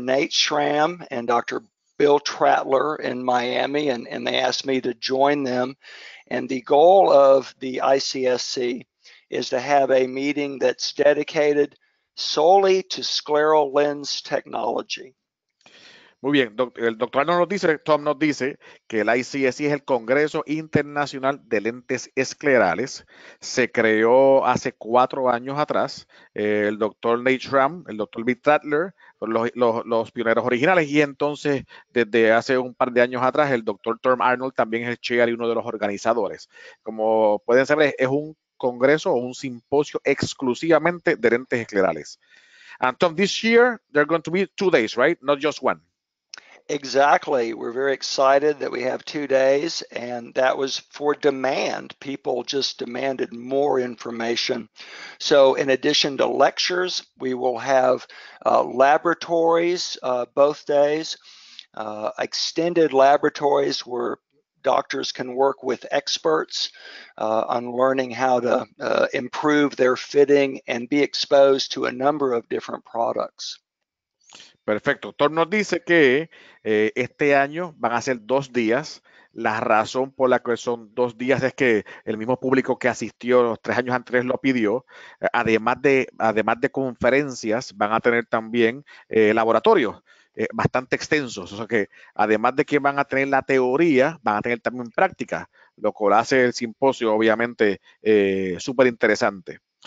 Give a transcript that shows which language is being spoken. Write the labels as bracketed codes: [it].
[en] Nate Schramm and Dr. Bill Trattler in Miami, and they asked me to join them. And the goal of the ICSC is to have a meeting that's dedicated solely to scleral lens technology. [es] Muy bien, el doctor Arnold nos dice, Tom nos dice que el ICSC es el Congreso Internacional de Lentes Esclerales. Se creó hace 4 años atrás. El doctor Nate Schramm, el doctor Bill Trattler, los pioneros originales. Y entonces, desde hace un par de años atrás, el doctor Tom Arnold también es el chair y uno de los organizadores. Como pueden saber, es un congreso o un simposio exclusivamente de lentes esclerales. [en] And Tom, this year, there are going to be 2 days, right? Not just one. Exactly. We're very excited that we have 2 days, and that was for demand. People just demanded more information. So, in addition to lectures, we will have laboratories both days, extended laboratories where doctors can work with experts on learning how to improve their fitting and be exposed to a number of different products. [es] Perfecto. Tom nos dice que este año van a ser 2 días. La razón por la cual son 2 días es que el mismo público que asistió los 3 años anteriores lo pidió. Además de conferencias, van a tener también laboratorios bastante extensos. O sea que además de que van a tener la teoría, van a tener también práctica, lo cual hace el simposio obviamente súper interesante.